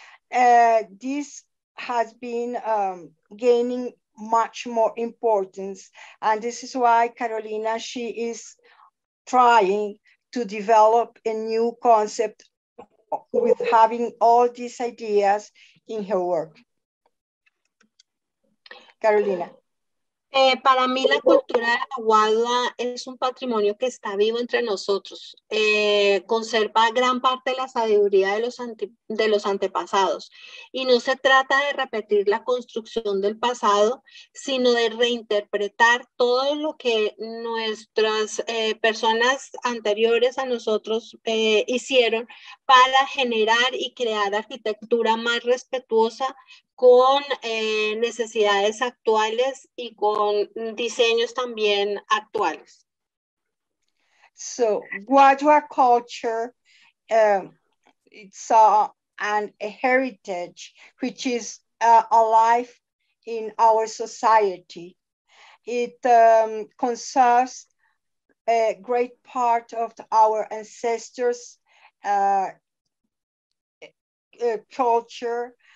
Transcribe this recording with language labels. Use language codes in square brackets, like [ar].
[en] This has been gaining much more importance. And this is why Carolina, she is trying to develop a new concept with having all these ideas in her work. Carolina. [es] Para mí la cultura de la Guadua es un patrimonio que está vivo entre nosotros. Conserva gran parte de la sabiduría de los antepasados. Y no se trata de repetir la construcción del pasado, sino de reinterpretar todo lo que nuestras personas anteriores a nosotros hicieron para generar y crear arquitectura más respetuosa con necesidades actuales y con diseños también actuales. [en] So, Guadua culture, it's a heritage which is alive in our society. It conserves a great part of our ancestors' culture.